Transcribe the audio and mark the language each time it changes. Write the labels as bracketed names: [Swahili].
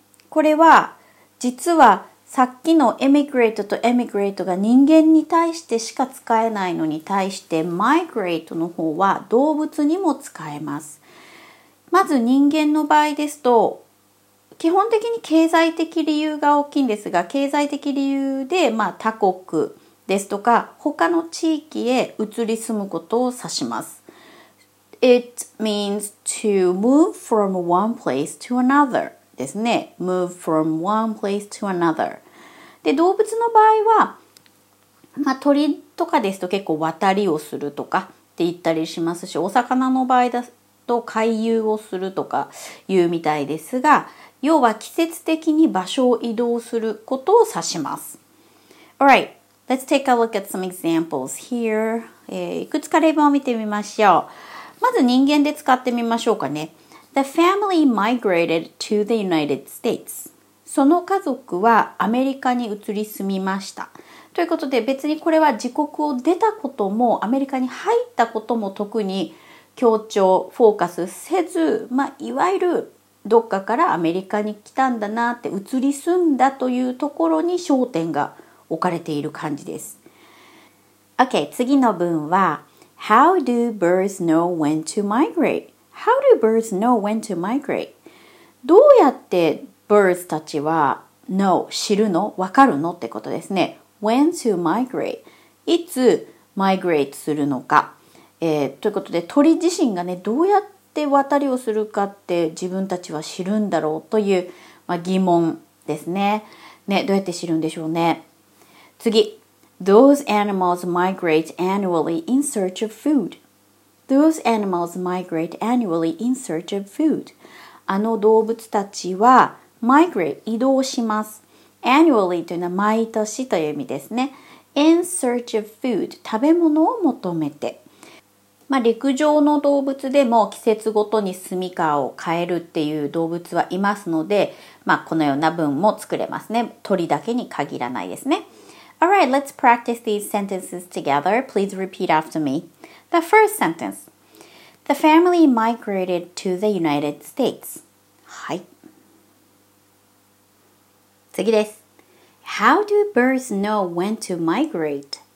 [Japanese] これは、実はさっきの Emigrate と Emigrate が人間に対してしか使えないのに対して、Migrate の方は動物にも使えます。まず人間の場合ですと、基本的に経済的理由が大きいんですが、経済的理由で、まあ、他国、ですとか他の地域へ移り住むことを指します。 [English] It means to move from one place to another [Japanese] ですね。 [English] Move from one place to another。 [Japanese] で動物の場合は、まあ、鳥とかですと結構渡りをするとかって言ったりしますし、お魚の場合だと回遊をするとか言うみたいですが、要は季節的に場所を移動することを指します。 [English] All right. Let's take a look at some examples here. [Japanese] いくつか例文を見てみましょう。まず人間で使ってみましょうかね。 [English] The family migrated to the United States. [Japanese] その家族はアメリカに移り住みました。ということで別にこれは自国を出たこともアメリカに入ったことも特に強調、フォーカスせず、まあ、いわゆるどっかからアメリカに来たんだなって移り住んだというところに焦点が置かれている感じです。 [English] OK、 [Japanese] 次の文は [English] How do birds know when to migrate? How do birds know when to migrate? [Japanese] どうやって birds たちは know、知るの、わかるのってことですね。 [English] When to migrate? [Japanese] いつ migrate するのか、ということで鳥自身がね、どうやって渡りをするかって自分たちは知るんだろうという、まあ、疑問ですね。ね、どうやって知るんでしょうね。 [English] 次、Those animals migrate annually in search of food. Those animals migrate annually in search of food. [Japanese] あの動物たちは migrate 移動します。 Annually というのは毎年という意味ですね。 [English] In search of food [Japanese] 食べ物を求めて。まあ、陸上の動物でも季節ごとに住処を変えるっていう動物はいますので、まあ、このような文も作れますね。鳥だけに限らないですね。 [English] Alright, let's practice these sentences together. Please repeat after me. The first sentence. The family migrated to the United States. [Japanese] はい。次です。 [English] How do birds know when to migrate?